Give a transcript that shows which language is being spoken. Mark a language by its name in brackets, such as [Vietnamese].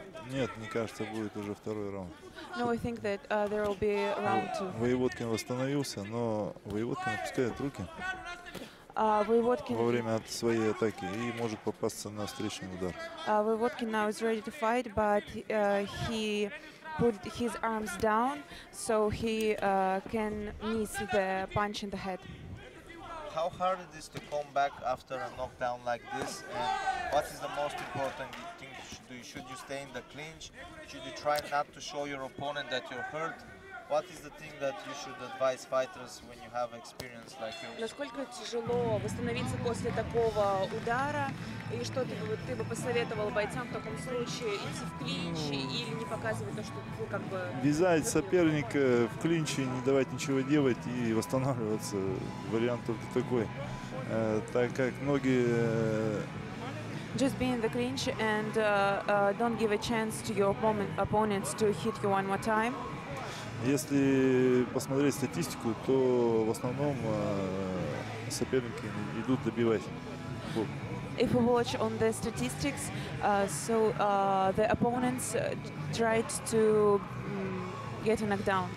[Russian] Нет, мне кажется, будет уже второй раунд. [English] No, I think that there will be round two. [Russian] Воеводкин восстановился, но Воеводкин опускает руки. [English] Voevodkin [Russian] во время своей атаки и может попасться на встречный удар. [English] Voevodkin now is ready to fight, but he put his arms down, so he can miss the punch in the head. How hard it is to come back after a knockdown like this? And what is the most important thing you should do? Should you stay in the clinch? Should you try not to show your opponent that you're hurt? What is the thing that you should advise fighters when you have experience like yours? [Russian] Насколько тяжело восстановиться после такого удара, и что ты бы посоветовал бойцам в таком случае, идти в клинч или не показывать то, что ты как бы вязать соперника в клинче, не давать ничего делать и восстанавливаться. Вариант только такой. Так как многие [English] just be in the clinch and don't give a chance to your opponents to hit you one more time. [Russian] Если посмотреть статистику, то в основном соперники идут добивать. [English] If we watch on the statistics, so the opponents tried to get a knockdown.